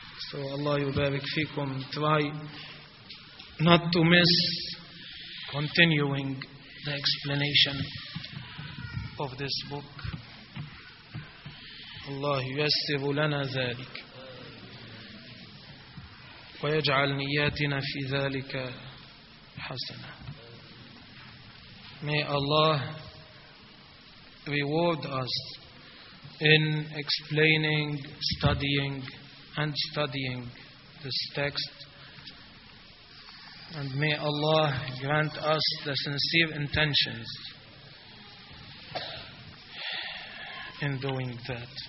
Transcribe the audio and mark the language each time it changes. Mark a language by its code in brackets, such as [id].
[en] So [ar] Allah yubarik fikum. [en] Try not to miss continuing the explanation of this book. [ar] الله ييسر لنا ذلك ويجعل نياتنا في ذلك حسنة. [en] May Allah reward us in explaining, studying, and studying this text. And may Allah grant us the sincere intentions in doing that.